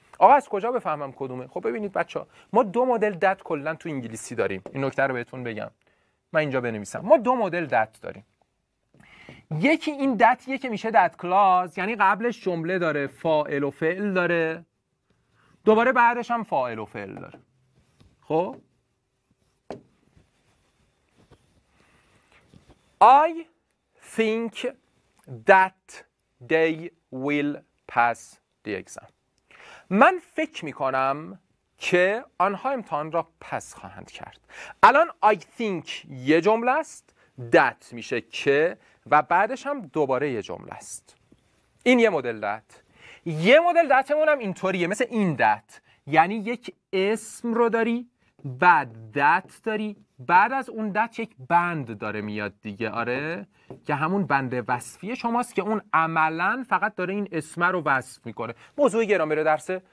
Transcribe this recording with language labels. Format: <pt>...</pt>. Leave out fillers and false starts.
<fa>آقا از کجا بفهمم کدومه؟ خب ببینید بچه ها، ما دو مدل that کلن تو انگلیسی داریم. این نکته رو بهتون بگم، من اینجا بنویسم، ما دو مدل that داریم. یکی این دتیه که میشه دت کلاز، یعنی قبلش جمله داره، فاعل و فعل داره، دوباره بعدش هم فاعل و فعل داره. خب</fa> <en>I think that they will pass the exam.</en> <fa>من فکر میکنم که آنها امتحان را پس خواهند کرد. الان</fa> <en>I think</en> <fa>یه جمله است، دت میشه که، و بعدش هم دوباره یه جمله است. این یه مدل دت. یه مدل دتمون هم اینطوریه، مثل این دت، یعنی یک اسم رو داری، بعد دت داری، بعد از اون دت یک بند داره میاد دیگه، آره، که همون بند وصفی شماست که اون عملاً فقط داره این اسم رو وصف میکنه. موضوع گرامر درس</fa>